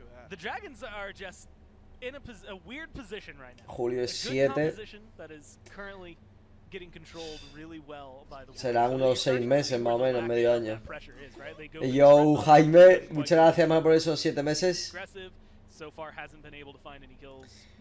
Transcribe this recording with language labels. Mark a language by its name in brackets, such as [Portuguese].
[English] The Dragons are just in a weird position right now. [Spanish] Julio es 7. [English] That is currently getting controlled really well by the [Spanish] Serán unos 6 meses más o menos, medio año. Yo, Jaime, muchas gracias, hermano, por esos 7 meses. [English] So far hasn't been able to find any kills.